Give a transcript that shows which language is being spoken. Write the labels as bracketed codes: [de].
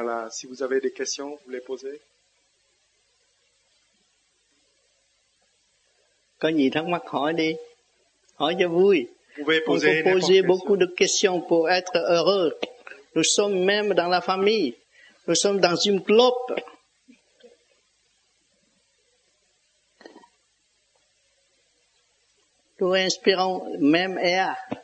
[fr] Si vous avez des questions, vous les posez. [vi] Có gì thắc mắc hỏi đi, hỏi cho vui. [fr] Vous pouvez poser, on peut poser beaucoup de questions pour être heureux. Nous sommes même dans la famille. Nous sommes dans une clope. Nous inspirons même air.